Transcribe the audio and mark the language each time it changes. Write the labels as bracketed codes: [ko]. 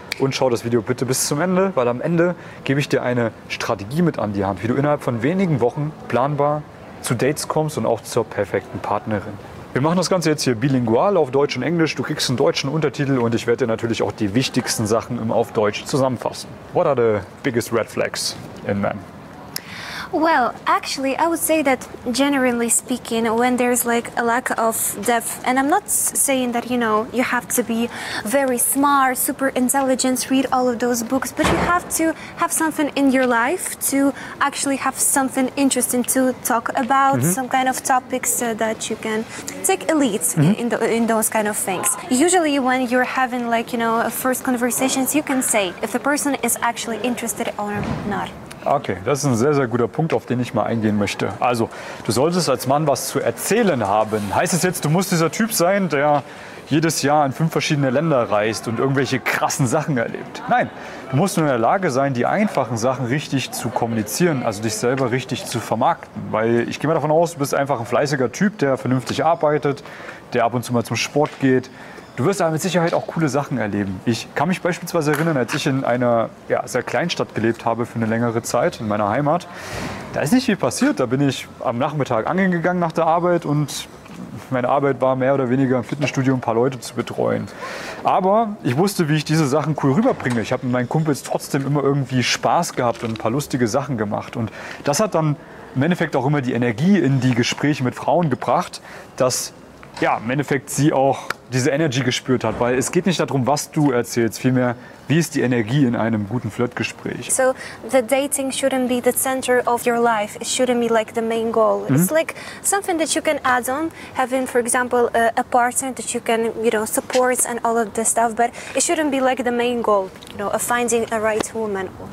[de] Und schau das Video bitte bis zum Ende, weil am Ende gebe ich dir eine Strategie mit an die Hand, wie du innerhalb von wenigen Wochen planbar zu Dates kommst und auch zur perfekten Partnerin. Wir machen das Ganze jetzt hier bilingual auf Deutsch und Englisch. Du kriegst einen deutschen Untertitel und ich werde dir natürlich auch die wichtigsten Sachen immer auf Deutsch zusammenfassen. [en] What are the biggest red flags in men? Well, actually, I would say that generally speaking, when there's like a lack of depth, and I'm not saying that, you know, you have to be very smart, super intelligent, read all of those books, but you have to have something in your life to actually have something interesting to talk about, mm-hmm. some kind of topics so that you can take a lead mm-hmm. in those kind of things. Usually when you're having like, you know, first conversations, you can say if the person is actually interested or not. [de] Okay, das ist ein sehr, sehr guter Punkt, auf den ich mal eingehen möchte. Also, du solltest als Mann was zu erzählen haben. Heißt es jetzt, du musst dieser Typ sein, der jedes Jahr in 5 verschiedene Länder reist und irgendwelche krassen Sachen erlebt? Nein, du musst nur in der Lage sein, die einfachen Sachen richtig zu kommunizieren, also dich selber richtig zu vermarkten. Weil ich gehe mal davon aus, du bist einfach ein fleißiger Typ, der vernünftig arbeitet, der ab und zu mal zum Sport geht. Du wirst aber mit Sicherheit auch coole Sachen erleben. Ich kann mich beispielsweise erinnern, als ich in einer sehr kleinen Stadt gelebt habe für eine längere Zeit, in meiner Heimat. Da ist nicht viel passiert. Da bin ich am Nachmittag angeln gegangen nach der Arbeit und meine Arbeit war mehr oder weniger im Fitnessstudio ein paar Leute zu betreuen. Aber ich wusste, wie ich diese Sachen cool rüberbringe. Ich habe mit meinen Kumpels trotzdem immer irgendwie Spaß gehabt und ein paar lustige Sachen gemacht. Und das hat dann im Endeffekt auch immer die Energie in die Gespräche mit Frauen gebracht, dass im Endeffekt sie auch diese Energy gespürt hat, weil es geht nicht darum, was du erzählst, vielmehr, wie ist die Energie in einem guten Flirtgespräch. [en] So, the dating shouldn't be the center of your life, it shouldn't be like the main goal. Mm-hmm. It's like something that you can add on, having, for example, a partner that you can, you know, support and all of this stuff, but it shouldn't be like the main goal, you know, of finding a right woman.